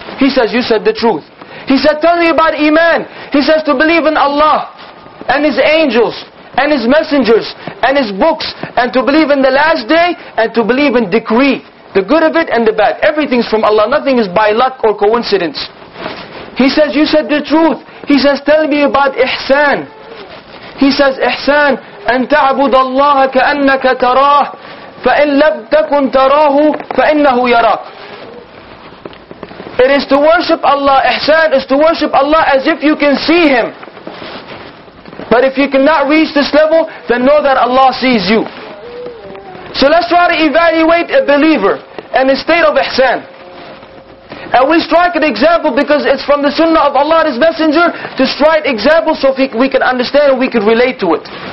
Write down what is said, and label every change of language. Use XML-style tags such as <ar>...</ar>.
<en>He says, you said the truth. He said, tell me about Iman. He says, to believe in Allah, and His angels, and His messengers, and His books, and to believe in the last day, and to believe in decree. The good of it and the bad. Everything's from Allah. Nothing is by luck or coincidence. He says, you said the truth. He says, tell me about Ihsan. He says, Ihsan,</en> <ar>أن تعبد الله كأنك تراه فإن لم تكن تراه فإنه يراك.</ar> <en>It is to worship Allah. Ihsan is to worship Allah as if you can see Him. But if you cannot reach this level, then know that Allah sees you. So let's try to evaluate a believer and the state of Ihsan. And we strike an example because it's from the Sunnah of Allah and His Messenger to strike examples so we can understand and we can relate to it.</en>